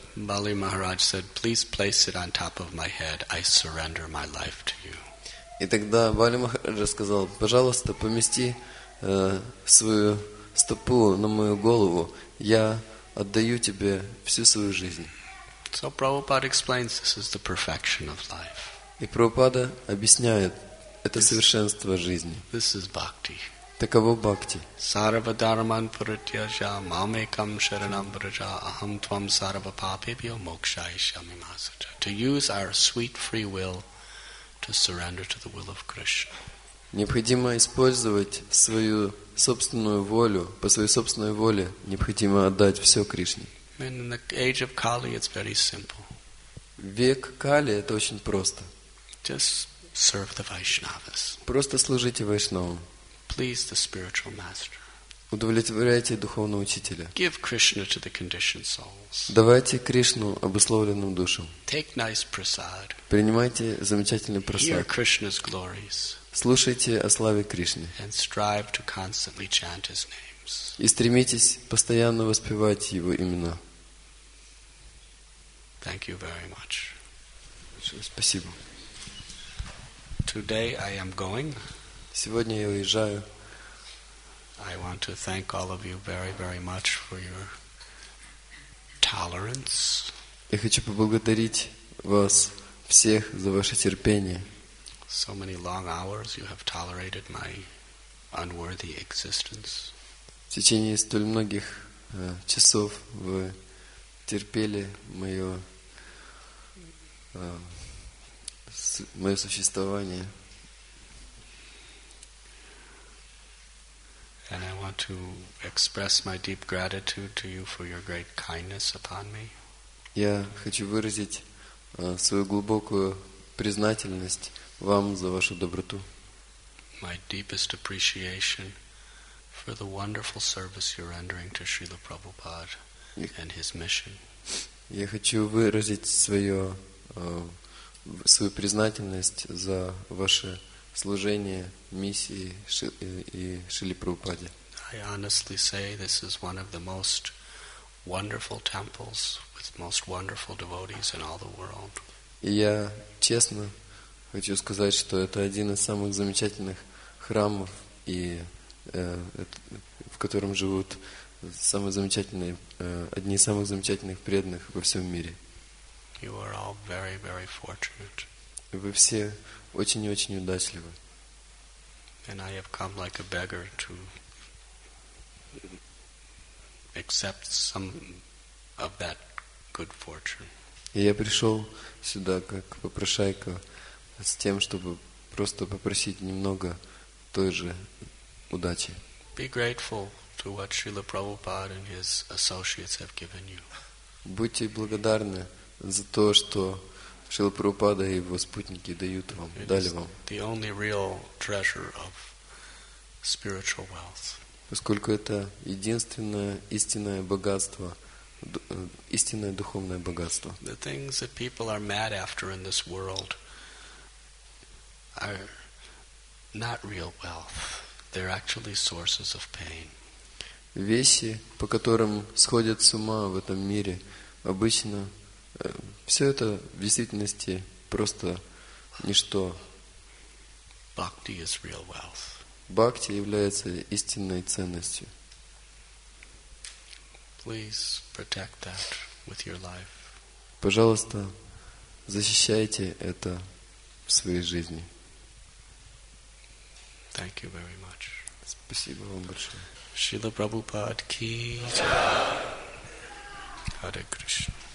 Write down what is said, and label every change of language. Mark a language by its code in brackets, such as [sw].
[en] Bali Maharaj said, "Please place it on top of my head. I surrender my life to you." [ru] И тогда Бали Махараджа сказал, пожалуйста, помести свою стопу на мою голову. Я отдаю тебе всю свою жизнь. [en] So Prabhupada explains, this is the perfection of life. [ru] И Прабхупада объясняет, это совершенство жизни. [en] This is bhakti. [ru] Таково бхакти. [sa] Сарва дарман пратьяжа мамекам шаранам бража ахам твам сарва папебхьо мокшайишьями масаджа. [en] To use our sweet free will to surrender to the will of Krishna. [ru] Необходимо использовать свою собственную волю, по своей собственной воле необходимо отдать все Кришне. [en] And in the age of Kali it's very simple. [ru] Век Кали это очень просто. [en] Just serve the Vaishnavas. [ru] Просто служите Вайшнавам. [en] Please the spiritual master. [ru] Удовлетворяйте духовного учителя. [en] Give Krishna to the conditioned souls. [ru] Давайте Кришну обусловленным душам. [en] Take nice prasad. [ru] Принимайте замечательный просад. [en] Hear Krishna's glories. [ru] Слушайте о славе Кришны. [en] And strive to constantly chant his names. [ru] И стремитесь постоянно воспевать его имена. [en] Thank you very much. [ru] Спасибо. [en] Today I am going. [ru] Сегодня я уезжаю. [en] I want to thank all of you very, very much for your tolerance. [ru] Я хочу поблагодарить вас всех за ваше терпение. [en] So many long hours you have tolerated my unworthy existence. [ru] В течение столь многих часов вы терпели мое существование. [en] And I want to express my deep gratitude to you for your great kindness upon me. [ru] Я хочу выразить свою глубокую признательность вам за вашу доброту. [en] My deepest appreciation for the wonderful service you're rendering to Srila Prabhupada and his mission. [ru] Я хочу выразить свою признательность за ваше служение миссии и Шрили Прабхупаде. [en] I honestly say this is one of the most wonderful temples with most wonderful devotees in all the world. [ru] Я честно хочу сказать, что это один из самых замечательных храмов и в котором живут самые замечательные, одни из самых замечательных преданных во всем мире. [en] You are all very, very fortunate. [ru] Вы все очень и очень удачливы. [en] And I have come like a beggar to accept some of that good fortune. [ru] И я пришел сюда как попрошайка с тем, чтобы просто попросить немного той же удачи. [en] Be grateful to what Srila Prabhupada and his associates have given you. [ru] Будьте благодарны за то, что Шрила Прабхупада и его спутники дают вам, дали вам. [en] The only real treasure of spiritual wealth. [ru] Поскольку это единственное истинное богатство, истинное духовное богатство. [en] The things that people are mad after in this world are not real wealth. They're actually sources of pain. [ru] Вещи, по которым сходят с ума в этом мире, обычно все это в действительности просто ничто. [en] Bhakti is real wealth. [ru] Бхакти является истинной ценностью. [en] Please protect that with your life. [ru] Пожалуйста, защищайте это в своей жизни. [en] Thank you very much. [ru] Спасибо вам большое. Шрила Прабхупада ки джай. Харе Кришна.